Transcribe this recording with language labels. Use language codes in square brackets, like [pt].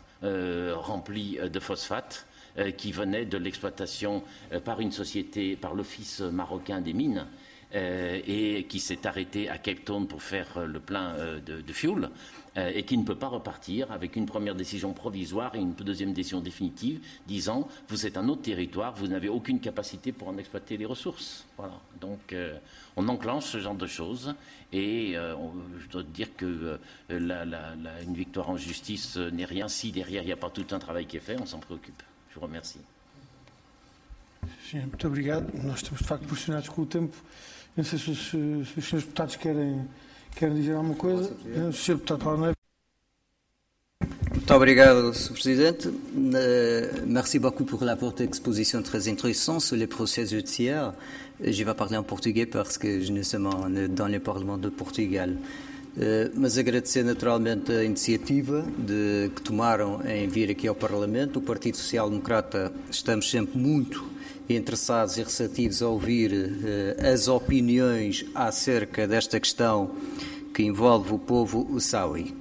[fr] remplis de phosphate qui venaient de l'exploitation par une société, par l'Office marocain des mines, et qui s'est arrêté à Cape Town pour faire le plein de fuel, et qui ne peut pas repartir avec une première décision provisoire et une deuxième décision définitive disant vous êtes un autre territoire, vous n'avez aucune capacité pour en exploiter les ressources. Voilà. Donc on enclenche ce genre de choses, et je dois te dire que une victoire en justice n'est rien si derrière il n'y a pas tout un travail qui est fait, on s'en préoccupe. Je vous remercie. [pt] Sim, muito obrigado. Nós estamos de facto pressionados com o tempo. Não sei se os senhores deputados querem dizer alguma coisa. O senhor deputado Paulo Neves. Muito obrigado, Sr. Presidente. [fr] Merci beaucoup pour la votre exposition très intéressante sur les processus judiciaires. Je vais parler en português parce que je ne suis pas dans le Parlement de Portugal. [pt] Mas agradecer naturalmente a iniciativa que tomaram em vir aqui ao Parlamento. O Partido Social Democrata estamos sempre muito interessados e receptivos a ouvir as opiniões acerca desta questão que envolve o povo Saui.